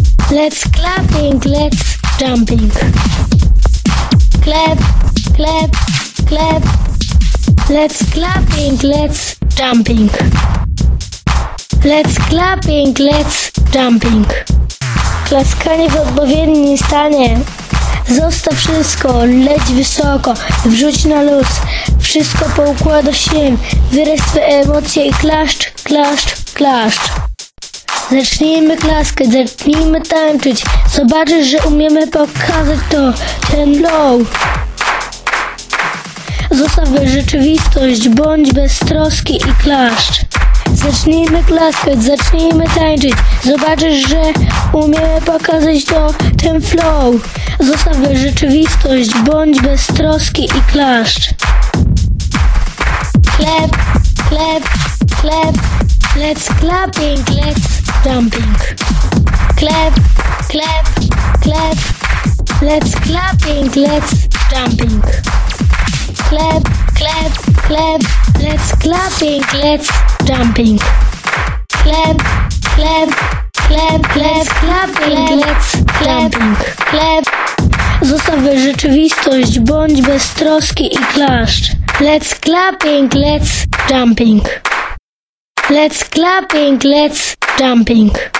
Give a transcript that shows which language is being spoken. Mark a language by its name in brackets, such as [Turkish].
[English] Let's clapping, let's jumping. Klep, klep, klep. Let's clapping, let's jumping. Let's clapping, let's jumping. [Polish] Klaskanie w odpowiednim stanie. Zostaw wszystko, leć wysoko, wrzuć na luz. Wszystko poukłada się, wyraź swoje emocje i klaszcz, klaszcz, klaszcz. Zacznijmy klaskę, zacznijmy tańczyć. Zobaczysz, że umiemy pokazać to, ten flow. Zostaw rzeczywistość, bądź bez troski i klaszcz. Zacznijmy klaskać, zacznijmy tańczyć. Zobaczysz, że umiemy pokazać to, ten flow. Zostaw rzeczywistość, bądź bez troski i klaszcz. Klep, klep, klep. [English] Let's clapping, let's jumping. Klep, klep, klep. Let's clapping, let's jumping. Klep, klep, klep. Let's clapping, let's jumping. Klep, klep, klep, klep. Let's clapping, let's jumping. Klep. [Polish] Zostaw rzeczywistość, bądź bez troski i klaszcz. [English] Let's clapping, let's jumping. Let's clapping, let's jumping.